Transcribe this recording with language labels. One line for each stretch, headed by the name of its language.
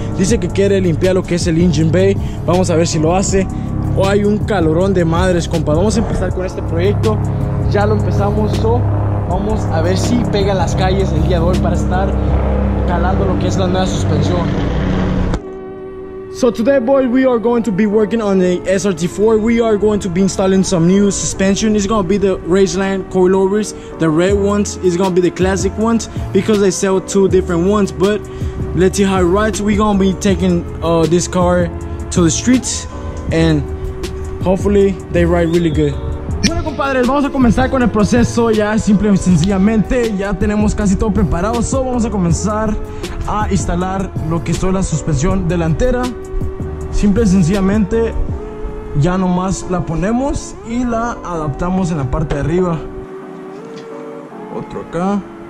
Spanish: Dice que quiere limpiar lo que es el engine bay. Vamos a ver si lo hace. O hay un calorón de madres, compa. Vamos a empezar con este proyecto. Ya lo empezamos. Vamos a ver si pega las calles el día de hoy para estar calando lo que es la nueva suspensión.
English: So today, boys, we are going to be working on the SRT4. We are going to be installing some new suspension. It's going to be the Raceline coilovers, the red ones. It's going to be the classic ones because they sell 2 different ones. But let's see how it rides. We're going to be taking this car to the streets and hopefully they ride really good.
Spanish: Bueno, compadres, vamos a comenzar con el proceso. Ya simple y sencillamente, ya tenemos casi todo preparado. So vamos a comenzar a instalar lo que es la suspensión delantera. Simple y sencillamente, ya nomás la ponemos y la adaptamos en la parte de arriba. Otro acá.